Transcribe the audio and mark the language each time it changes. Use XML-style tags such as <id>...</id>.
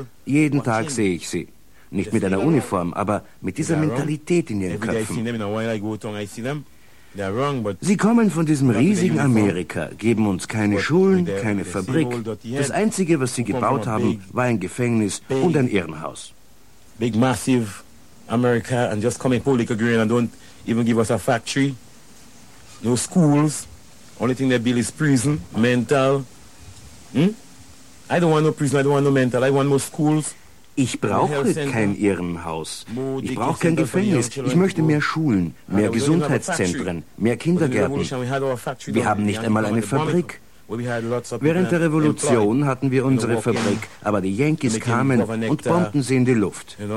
<de>Jeden Tag sehe ich sie. Nicht mit einer Uniform, aber mit dieser Mentalität in ihren Köpfen. Sie kommen von diesem riesigen Amerika, geben uns keine Schulen, keine Fabrik. Das Einzige, was sie gebaut haben, war ein Gefängnis und ein Irrenhaus.</de> <en>Big massive America and just come in public agreement and don't even give us a factory, no schools. Only thing they build is prison, mental. I don't want no prison, I don't want no mental, I want no schools.</en> <de>Ich brauche kein Irrenhaus. Ich brauche kein Gefängnis. Ich möchte mehr Schulen, mehr Gesundheitszentren, mehr Kindergärten. Wir haben nicht einmal eine Fabrik. Während der Revolution hatten wir unsere Fabrik, aber die Yankees kamen und bombten sie in die Luft.</de>